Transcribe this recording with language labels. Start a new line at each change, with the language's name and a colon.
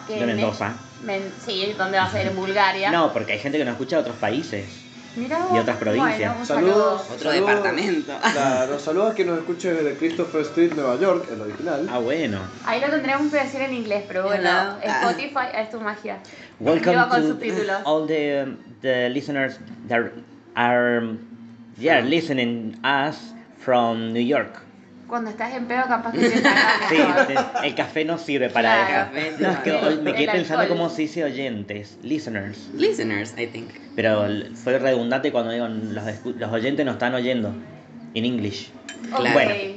Spanish: Que de Mendoza. Sí, ¿dónde va a ser? En Bulgaria. No, porque hay gente que nos escucha de otros países. Mira vos. Y otras provincias. Bueno, saludos. Departamento. Claro, saludos a quien nos escuche de Christopher Street, Nueva York, el original. Ah, bueno. Ahí lo tendremos que decir en inglés, pero bueno.
English: Hello.
Spanish: Spotify, es tu magia.
English: Welcome to all the listeners that are listening us from New York.
Spanish: Cuando estás en pedo, capaz que te sí, el café no sirve para claro, eso. Café, no, es que me quedé pensando cómo se dice oyentes, listeners.
English: Listeners, I think.
Spanish: Pero fue redundante cuando digo los oyentes nos están oyendo
English: in English.
Spanish: Claro.